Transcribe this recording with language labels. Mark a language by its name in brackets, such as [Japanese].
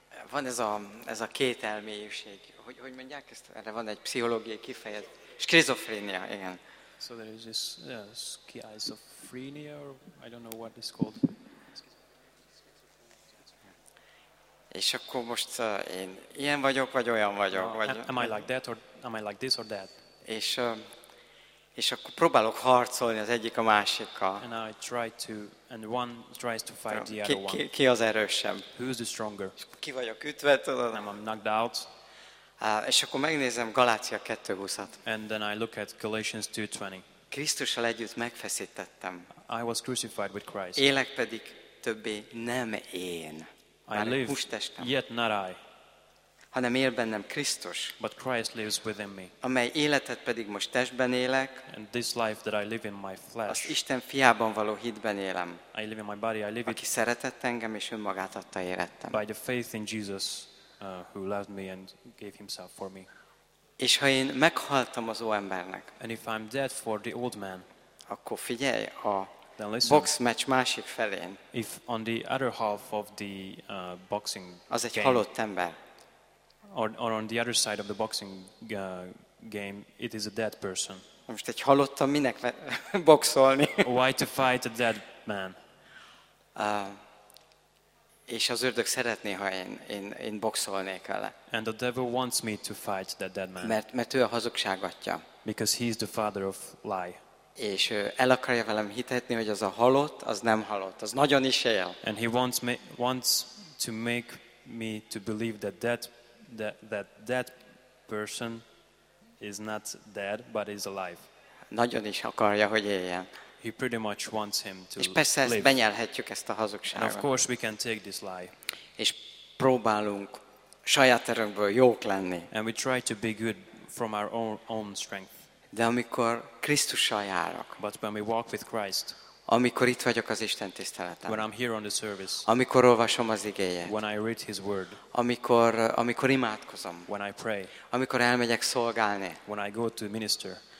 [Hungarian] Van ez a két elmélyűség, hogy mondják ezt, erre van egy pszichológiai kifejezés, skizofrénia, igen. [English] So there is this schizophrenia, or I don't know what it's called. [Hungarian] És akkor most én ilyen vagyok. [English] Am I like that or am I like this or that? [Hungarian] És akkor próbálok harcolni az egyik a másikkal. [English] And I try to, and one tries to fight the other one. [Hungarian] Ki az erősebb? [English] Who's the stronger? [Hungarian] Ki vagyok ütve, tudod? [English] I'm knocked out. [Hungarian] És akkor megnézem Galácia 2:20-at. [English] And then I look at Galatians 2:20. [Hungarian] Krisztussal együtt megfeszítettem. [English] I was crucified with Christ. [Hungarian] Élek pedig többé nem én. [English] I live, yet not I. [Hungarian] Hanem él bennem Krisztus. [English] But Christ lives within me. [Hungarian] Amely életet pedig most testben élek. [English] And this life that I live in my flesh. [Hungarian] Azt Isten fiában való hitben élem. [English] I live in my body, I live [Hungarian] aki szeretett engem és önmagát adta érettem. [English] By the faith in Jesus who loved me and gave himself for me. [Hungarian] És ha én meghaltam az óembernek. [English] And if I'm dead for the old man. [Hungarian] Akkor figyelj a box match másik felén. [English] If on the other half of the boxing [Hungarian] az egy [English] game, [Hungarian] halott ember. [English] Or on the other side of the boxing game, it is a dead person. [Hungarian] Most egy halottan minek boxolni? [English] Why to fight a dead man? [Hungarian] És az ördög szeretné, ha én boxolnék vele. [English] And the devil wants me to fight that dead man. [Hungarian] Mert ő a hazugság atya. [English] Because he is the father of lie. [Hungarian] És el akarja velem hitetni, hogy az a halott, az nem halott, az nagyon is él. [English] And he wants to make me to believe that person is not dead but is alive. [Hungarian] Nagyon is akarja, hogy éljen. [English] He pretty much wants him to live. [Hungarian] És persze ezt benyelhetjük, ezt a hazugságot. [English] Of course we can take this lie. [Hungarian] És próbálunk saját erőnkből jók lenni. [English] And we try to be good from our own strength. [Hungarian] De amikor Krisztussal járok. [English] But when we walk with Christ. [Hungarian] Amikor itt vagyok az Isten tiszteleten. [English] When I'm here on the service. [Hungarian] Amikor olvasom az igéjét. [English] When I read his word. [Hungarian] Amikor imádkozom. [English] When I pray. [Hungarian] Amikor elmegyek szolgálni. [English] When I go to minister.